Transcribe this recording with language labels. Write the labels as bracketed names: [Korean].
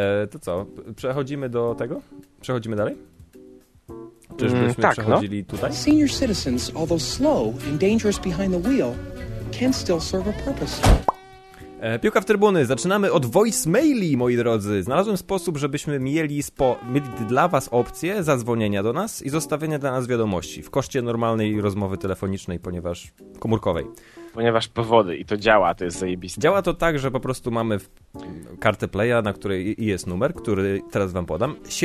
[Polish] To co? Przechodzimy do tego? Przechodzimy dalej? Czyżbyśmy przechodzili tutaj? [English] Senior citizens, although slow and dangerous behind the wheel, can still serve a purpose. [Polish] Piłka w trybuny. Zaczynamy od voicemaili, moi drodzy. Znalazłem sposób, żebyśmy mieli dla was opcję zadzwonienia do nas i zostawienia dla nas wiadomości w koszcie normalnej rozmowy telefonicznej, ponieważ komórkowej. Ponieważ powody i to działa, to jest zajebiste. Działa to tak, że po prostu mamy kartę playa, na której jest numer, który teraz wam podam.